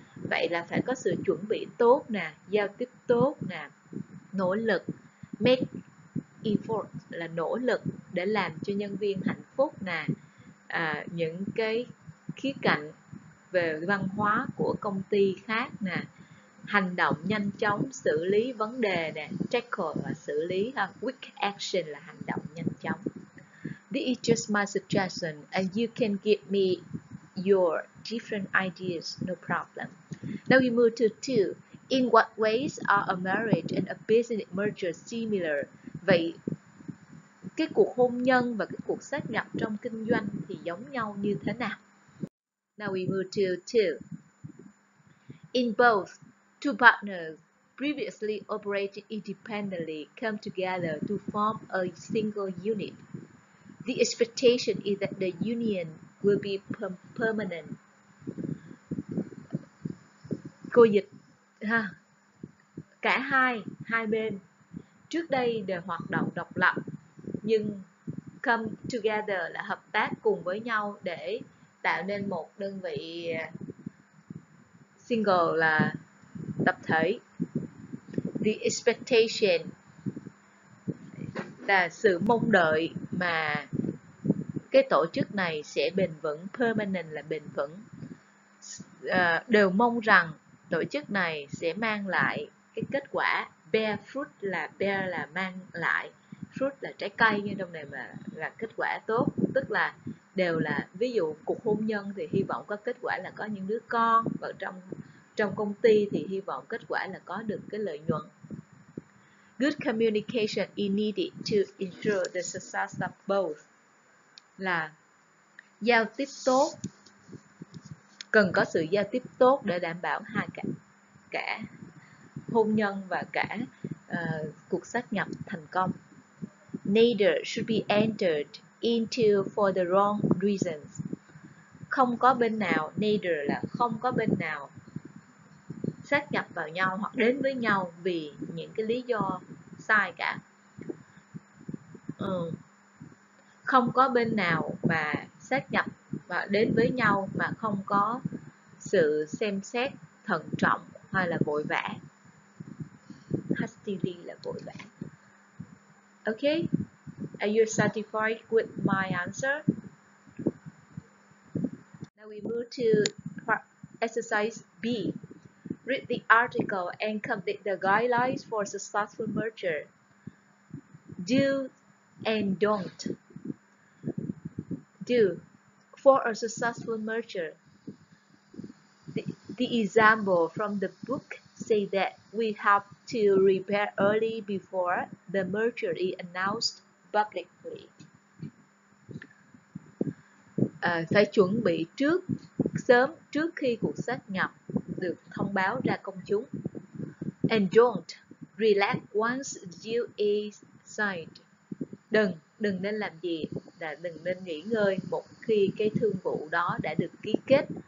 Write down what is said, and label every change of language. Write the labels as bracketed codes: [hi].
[vi] Vậy là phải có sự chuẩn bị tốt nè, giao tiếp tốt nè, nỗ lực, make effort là nỗ lực để làm cho nhân viên hạnh phúc nè, những cái khía cạnh về văn hóa của công ty khác nè, hành động nhanh chóng xử lý vấn đề nè, tackle và xử lý ha, quick action là hành động nhanh chóng. [en] This is just my suggestion and you can give me your different ideas, no problem. Now we move to 2. In what ways are a marriage and a business merger similar? [vi] Vậy cái cuộc hôn nhân và cái cuộc sáp nhập trong kinh doanh thì giống nhau như thế nào? [en] Now we move to 2. In both, two partners previously operated independently come together to form a single unit. The expectation is that the union will be permanent. [vi] Cô dịch ha. Cả hai bên trước đây đều hoạt động độc lập, nhưng come together là hợp tác cùng với nhau để tạo nên một đơn vị single là tập thể. The expectation là sự mong đợi mà cái tổ chức này sẽ bền vững, permanent là bền vững. Đều mong rằng tổ chức này sẽ mang lại cái kết quả. Bear là mang lại, fruit là trái cây, như trong này mà là kết quả tốt, tức là đều là, ví dụ cuộc hôn nhân thì hy vọng có kết quả là có những đứa con, và trong trong công ty thì hy vọng kết quả là có được cái lợi nhuận. [en] Good communication is needed to ensure the success of both. [vi] Là giao tiếp tốt, cần có sự giao tiếp tốt để đảm bảo hai cả hôn nhân và cả cuộc sát nhập thành công. [en] Neither should be entered into for the wrong reasons. [vi] Không có bên nào, neither là không có bên nào sát nhập vào nhau hoặc đến với nhau vì những cái lý do sai cả. Không có bên nào mà sát nhập và đến với nhau mà không có sự xem xét thận trọng hay là vội vã. [en] Hastily [vi] là vội vã. [en] Okay, are you satisfied with my answer? Now we move to exercise B. Read the article and complete the guidelines for successful merger. Do and don't. Do. For a successful merger, the example from the book say that we have to prepare early before the merger is announced publicly. [vi] Phải chuẩn bị trước, sớm trước khi cuộc sát nhập được thông báo ra công chúng. [en] And don't relax once deal is signed. [vi] Đừng nên làm gì, là đừng nên nghỉ ngơi một khi cái thương vụ đó đã được ký kết.